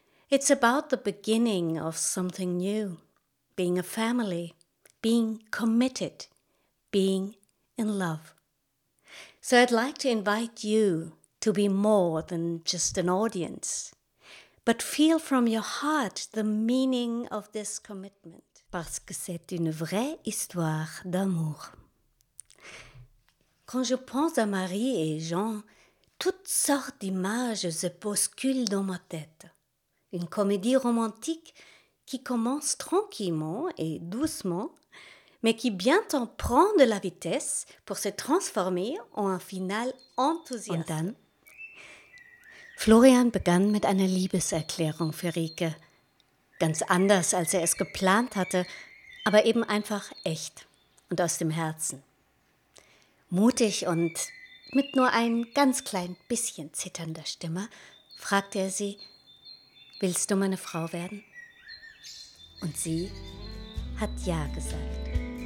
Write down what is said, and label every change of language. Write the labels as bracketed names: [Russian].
[English] It's about the beginning of something new, being a family, being committed, being in love. So I'd like to invite you to be more than just an audience, but feel from your heart the meaning of this commitment. [French] Parce que c'est une vraie histoire d'amour. Quand je pense à Marie et Jean, toutes sortes d'images se bousculent dans ma tête. Une comédie romantique qui commence tranquillement et doucement, mais qui bientôt prend de la vitesse pour se transformer en un final enthousiaste. [German] Und dann? Florian begann mit einer Liebeserklärung für Rike. Ganz anders, als er es geplant hatte, aber eben einfach echt und aus dem Herzen. Mutig und mit nur ein ganz klein bisschen zitternder Stimme fragte er sie, willst du meine Frau werden? Und sie hat ja gesagt.